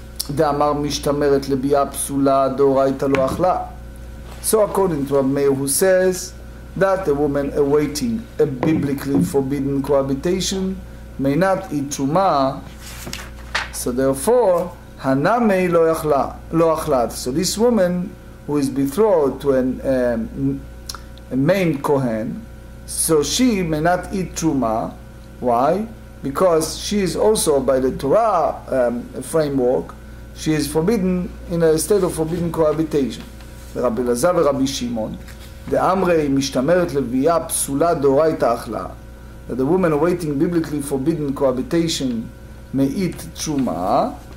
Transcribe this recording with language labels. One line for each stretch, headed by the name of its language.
Hebrew: דאמר משתמרת לביאה פסולה דאורייתא לא אכלה.
English: So according to Rabbi Meir, who says that the woman awaiting a biblically forbidden cohabitation may not eat truma, so therefore
Hebrew: hanamei lo achla, lo achlat.
English: So this woman who is betrothed to a main kohen, so she may not eat truma. Why? Because she is also by the Torah framework, she is forbidden in a state of forbidden cohabitation. Rabbi Elazar ורבי שמעון,
Hebrew: דאמרי משתמרת לביאה פסולה דאורייתא אכלה,
English: that the woman awaiting biblically forbidden cohabitation may eat truma.